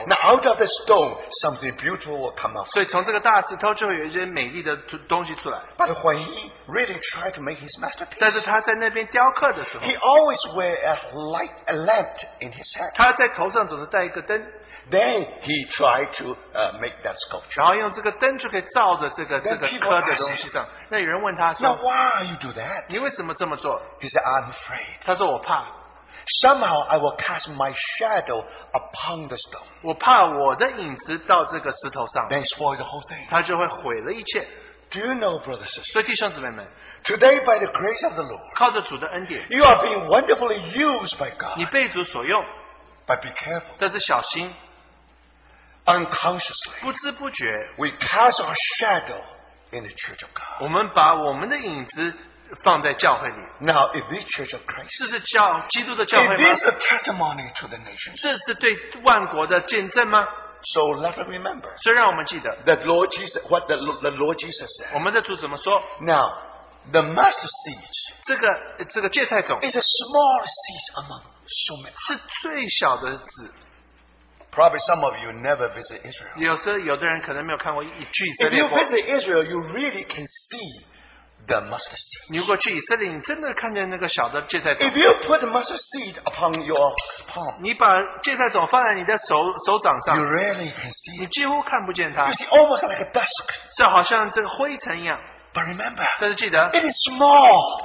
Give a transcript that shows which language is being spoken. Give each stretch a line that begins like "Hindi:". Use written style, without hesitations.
English: now, out of the stone, something beautiful will come out.
Chinese: 所以从这个大石头就会有一些美丽的东西出来.
English: But when he really tried to make his masterpiece,
Chinese: 但是他在那边雕刻的时候,
English: he always wear a light a lamp in his head.
Chinese: 他在头上总是带一个灯,
English: then he tried to make that sculpture.
Chinese: 然后用这个灯就可以照着这个刻的东西上. 那有人问他说,
English: now, why are you do that?
Chinese: 你为什么这么做?
English: He said, I'm afraid.
Chinese: 他说我怕.
English: Somehow I will cast my shadow upon the stone.
Chinese: 我怕我的影子到这个石头上.
English: Then spoil the whole thing.
Chinese: 他就会毁了一切.
English: Do you know, brothers and sisters?
Chinese: 所以弟兄姊妹们,
English: today, by the grace of the Lord,
Chinese: 靠着主的恩典,
English: you are being wonderfully used by God.
Chinese: 你被主所用.
English: But be careful.
Chinese: 但是小心,
English: unconsciously,
Chinese: 不知不觉,
English: we cast our shadow in the church of God.
Chinese: 我们把我们的影子 放在教会里,
English: now, if this church of Christ,
Chinese: 这是教, 基督的教会吗?
English: If this is a testimony to the nations,
Chinese: 这是对万国的见证吗?
English: So let us remember,
Chinese: 所以让我们记得,
English: that Lord Jesus, what the Lord Jesus said,
Chinese: 我们的主怎么说?
English: Now, the mustard seed,
Chinese: 这个芥菜种,
English: is a small seed among so many,
Chinese: 是最小的籽.
English: Probably some of you never visit Israel.
Chinese: 有时候有的人可能没有看过一句以色列国,
English: if you visit Israel, you really can see the mustard seed.
Chinese: 你如果去以色列,你真的看见那个小的芥菜种,
English: if you put the mustard seed upon your palm,
Chinese: 你把芥菜种放在你的手掌上,
English: you rarely can see it.
Chinese: 你几乎看不见它,
English: you see almost like a dusk.
Chinese: 就好像这个灰尘一样.
English: But remember,
Chinese: 但是记得,
English: it is small,